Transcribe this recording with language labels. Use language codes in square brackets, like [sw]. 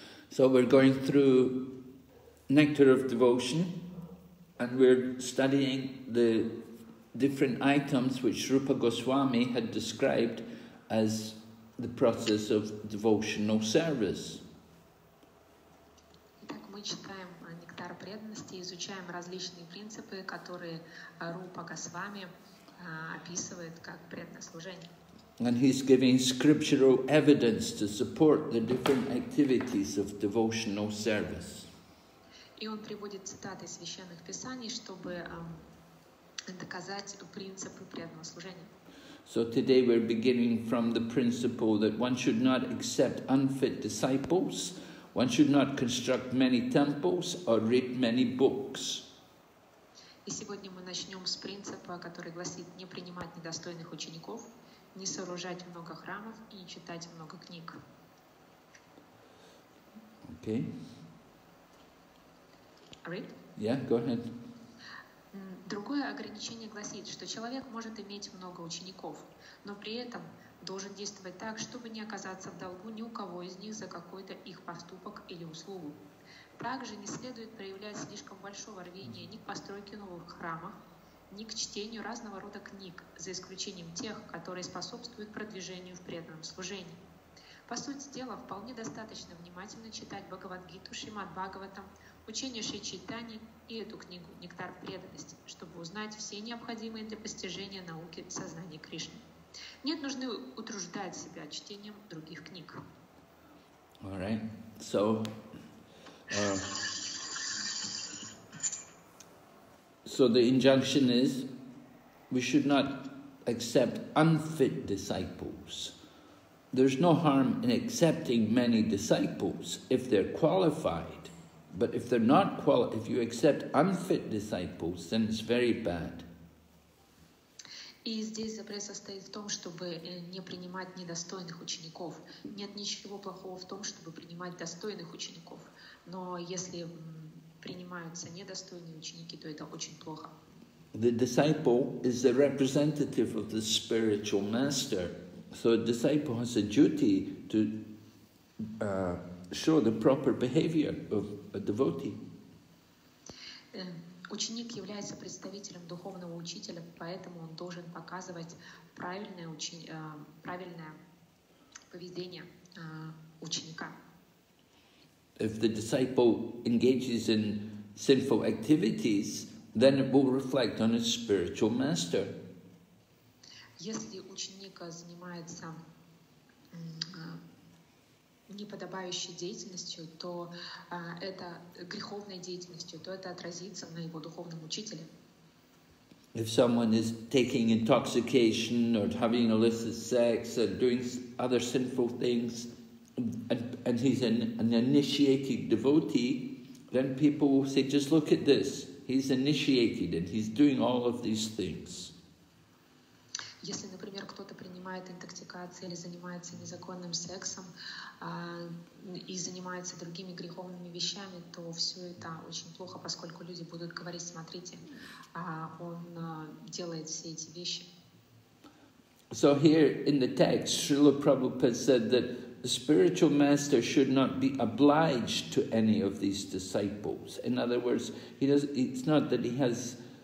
[en] So we're going through Nectar of Devotion and we're studying the different items which Rupa Goswami had described as the process of devotional service. [ru] Итак, мы читаем Нектар преданности, изучаем различные принципы, которые Рупа Госвами описывает как преданное служение. [en] And he's giving scriptural evidence to support the different activities of devotional service. [ru] И он приводит цитаты священных писаний, чтобы доказать принципы преданного служения. [en] So today we're beginning from the principle that one should not accept unfit disciples, one should not construct many temples or read many books. [ru] И сегодня мы начнем с принципа, который гласит не принимать недостойных учеников, не сооружать много храмов и не читать много книг. [en] Okay. Read? Yeah, go ahead. [ru] Другое ограничение гласит, что человек может иметь много учеников, но при этом должен действовать так, чтобы не оказаться в долгу ни у кого из них за какой-то их поступок или услугу. Также не следует проявлять слишком большого рвения ни к постройке новых храмов, ни к чтению разного рода книг, за исключением тех, которые способствуют продвижению в преданном служении. По сути дела, вполне достаточно внимательно читать Бхагавадгиту, Шримад Бхагаватам, учение Шри Чайтаньи и эту книгу «Нектар преданности», чтобы узнать все необходимые для постижения науки сознания Кришны. Нет нужды утруждать себя чтением других книг. [en] All right. So, so the injunction is, we should not accept unfit disciples. There's no harm in accepting many disciples if they're qualified. But if they're not qualified, if you accept unfit disciples, then it's very bad. [ru] И здесь запрет состоит в том, чтобы не принимать недостойных учеников. Нет ничего плохого в том, чтобы принимать достойных учеников. Но если принимаются недостойные ученики, то это очень плохо. [en] The disciple is the representative of the spiritual master. So a disciple has a duty to show the proper behavior of a devotee. [ru] Ученик является представителем духовного учителя, поэтому он должен показывать правильное правильное поведение ученика. [en] If the disciple engages in sinful activities, then it will reflect on his spiritual master. [ru] Если ученик занимается неподобающей деятельностью, то это греховной деятельностью, то это отразится на его духовном учителе. [en] If someone is taking intoxication or having illicit sex or doing other sinful things, and he's an initiated devotee, then people will say, just look at this. He's initiated and he's doing all of these things. [ru] Если, например, кто-то принимает интоксикацию или занимается незаконным сексом и занимается другими греховными вещами, то все это очень плохо, поскольку люди будут говорить, смотрите, он делает все эти вещи. [en] So here in the text, Srila Prabhupada said that the spiritual master should not be obliged to any of these disciples. In other words, it's not that he has